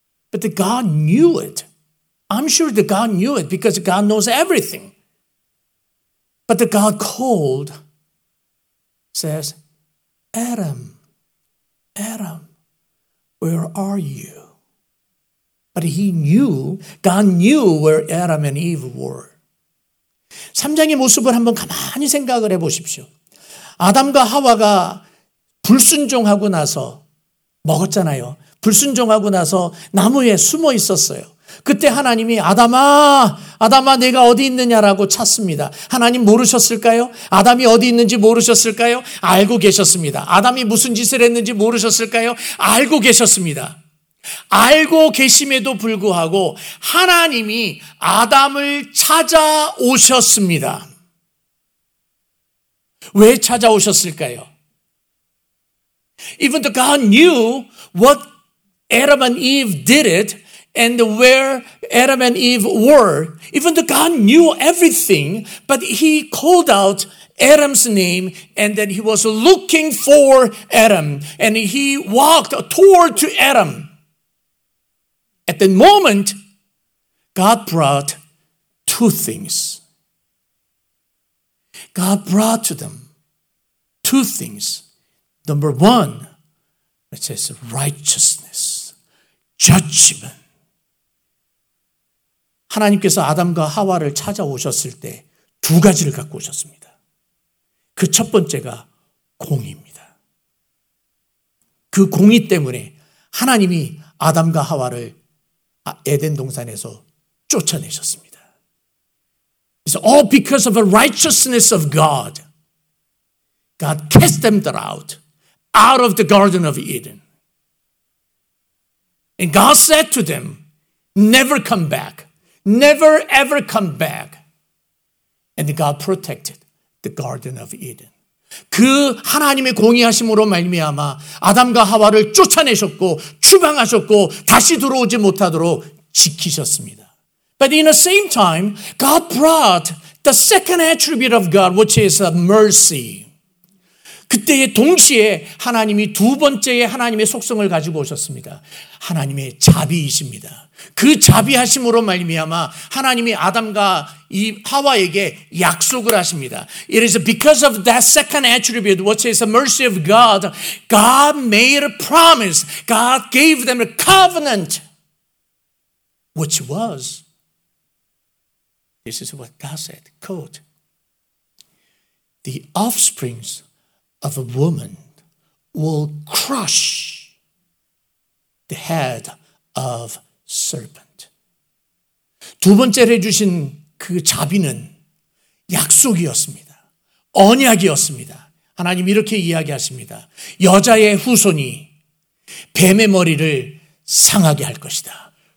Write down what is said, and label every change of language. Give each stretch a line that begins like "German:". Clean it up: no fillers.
English: But the God knew it. I'm sure the God knew it because God knows everything. But the God called, says, Adam, where are you? But he knew, God knew where Adam and Eve were.
Korean: 3장의 모습을 한번 가만히 생각을 해보십시오. 아담과 하와가 불순종하고 나서 먹었잖아요. 불순종하고 나서 나무에 숨어 있었어요. 그때 하나님이 아담아 내가 어디 있느냐라고 찾습니다. 하나님 모르셨을까요? 아담이 어디 있는지 모르셨을까요? 알고 계셨습니다. 아담이 무슨 짓을 했는지 모르셨을까요? 알고 계셨습니다. 알고 계심에도 불구하고 하나님이 아담을 찾아오셨습니다. 왜 찾아오셨을까요?
English: Even though God knew what Adam and Eve did it and where Adam and Eve were, even though God knew everything, but he called out Adam's name, and then he was looking for Adam, and he walked toward to Adam. At the moment, God brought two things. God brought to them two things. Number one, it says righteousness, judgment.
Korean: 하나님께서 아담과 하와를 찾아오셨을 때 두 가지를 갖고 오셨습니다. 그 첫 번째가 공의입니다. 그 공의 때문에 하나님이 아담과 하와를 에덴 동산에서 쫓아내셨습니다.
English: It's all because of the righteousness of God. God cast them out, out of the Garden of Eden. And God said to them, never come back. Never ever come back. And God protected the Garden of Eden.
Korean: 그 하나님의 공의하심으로 말미암아 아담과 하와를 쫓아내셨고 추방하셨고 다시 들어오지 못하도록 지키셨습니다.
English: But in the same time, God brought the second attribute of God, which is mercy.
Korean: 그때의 동시에 하나님이 두 번째의 하나님의 속성을 가지고 오셨습니다. 하나님의 자비이십니다. 그 자비하심으로 말미암아 하나님이 아담과 이 하와에게 약속을 하십니다.
English: It is because of that second attribute, which is the mercy of God, God made a promise. God gave them a covenant, which was, this is what God said, quote, the offsprings of a woman will crush the head of serpent.
Korean: 두 번째로 해주신 그 자비는 약속이었습니다. 언약이었습니다. 하나님 이렇게 이야기하십니다. 여자의 후손이 뱀의 머리를 상하게 할 것이다.